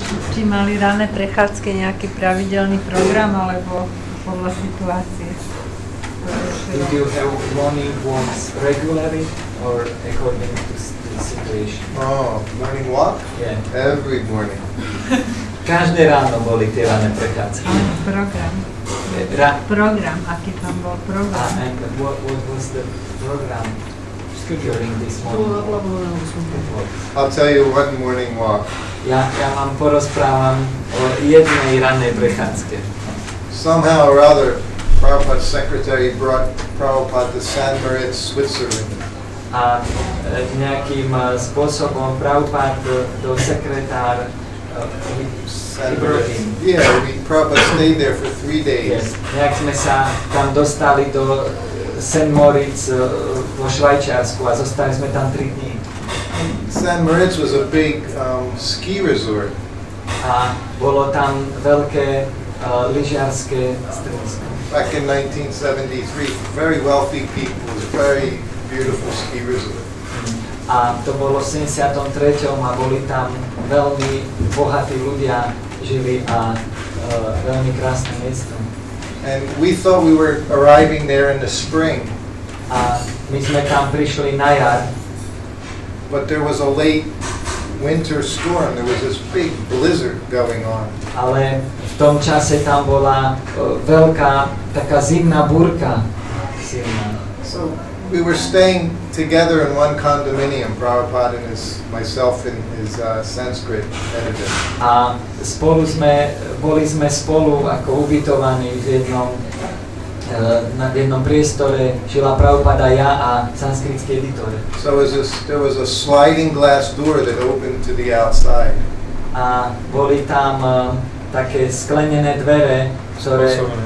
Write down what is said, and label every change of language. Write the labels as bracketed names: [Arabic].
[Slovak] Či mali ranné prechádzky nejaký pravidelný program alebo podľa situácie? [English] Did you have morning walks regularly or according to the situation? Oh, morning walk? Yeah. Every morning. [Slovak] Každé ráno boli tie ranné prechádzky. Program. Program, aký tam bol program. [English] And what was the program during this morning walk? I'll tell you one morning walk. [Slovak] Ja vám porozprávam o jednej rannej prechádzke. [English] Somehow or other, Prabhupada's secretary brought Prabhupada to St. Moritz, Switzerland. [Slovak] A nejakým spôsobom Prabhupada do sekretár [English] Prabhupada stayed there for 3 days. [Slovak] Yes. Nejak sme sa tam dostali do St. Moritz vo Švajčiarsku a zostali sme tam 3 dní. [English] St. Moritz was a big ski resort. [Slovak] A bolo tam veľké lyžiarske stredisko. [English] Back in 1973, very wealthy people, very beautiful ski resort. [Slovak] A to bolo v 73. a boli tam veľmi bohatí ľudia, žili a veľmi krásne miesto. [English] And we thought we were arriving there in the spring. [Slovak] A my sme tam prišli na jar. [English] But there was a late winter storm. There was this big blizzard going on. [Slovak] Ale v tom čase tam bola veľká taká zimná burka silná. [English] So we were staying together in one condominium, Prabhupada and myself and his Sanskrit editor. [Slovak] A boli sme spolu ako ubytovaní v jednom na jednom priestore žila Prabhupada, ja a sanskritský editor. [English] So there was a sliding glass door that opened to the outside. [Slovak] A boli tam také sklenené dvere, ktoré...